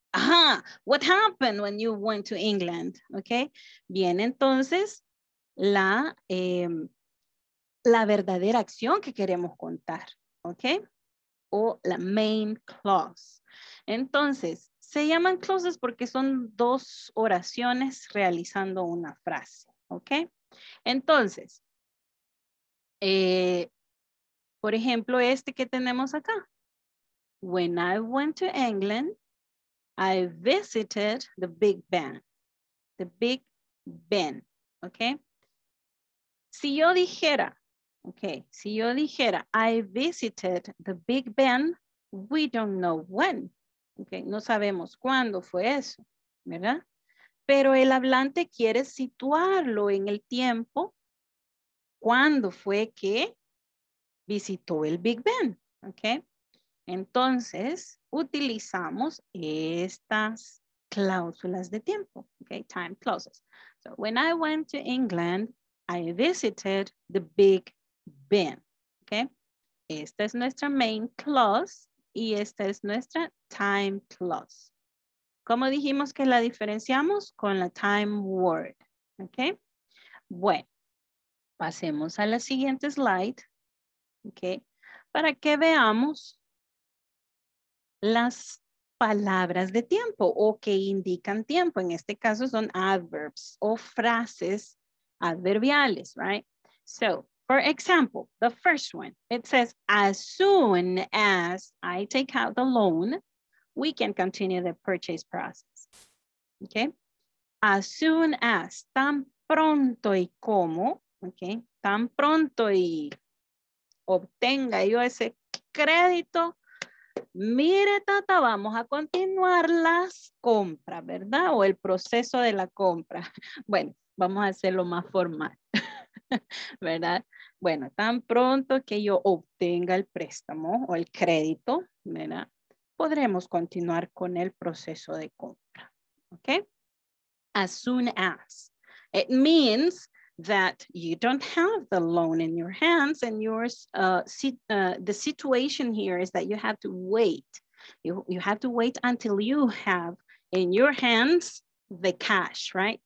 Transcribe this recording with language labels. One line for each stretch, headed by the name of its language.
English: Ajá, what happened when you went to England, ¿ok?
Spanish: Bien, entonces, la verdadera acción que queremos contar, ¿ok? O la main clause. Entonces, se llaman clauses porque son dos oraciones realizando una frase, ¿ok? Entonces, por ejemplo, este que tenemos acá.
English: When I went to England, I visited the Big Ben. The Big Ben, ¿ok?
Spanish: Si yo dijera, okay, si yo dijera,
English: I visited the Big Ben, we don't know when.
Spanish: Okay, no sabemos cuándo fue eso, ¿verdad? Pero el hablante quiere situarlo en el tiempo, cuándo fue que visitó el Big Ben. Okay, entonces utilizamos estas cláusulas de tiempo, okay, time clauses.
English: So, when I went to England, I visited the Big Ben.
Spanish: Bien, ok. Esta es nuestra main clause y esta es nuestra time clause. ¿Cómo dijimos que la diferenciamos? Con la time word, ok. Bueno, pasemos a la siguiente slide, ok, para que veamos las palabras de tiempo o que indican tiempo. En este caso son adverbs o frases adverbiales, right?
English: So, for example, the first one, it says, as soon as I take out the loan, we can continue the purchase process. Okay.
Spanish: As soon as, tan pronto y como, okay, tan pronto y obtenga yo ese crédito, mire, tata, vamos a continuar las compras, ¿verdad? O el proceso de la compra. Bueno, vamos a hacerlo más formal, ¿verdad? Bueno, tan pronto que yo obtenga el préstamo o el crédito, ¿verdad? Podremos continuar con el proceso de compra, ¿ok?
English: As soon as. It means that you don't have the loan in your hands and the situation here is that you have to wait. You have to wait until you have in your hands the cash, right?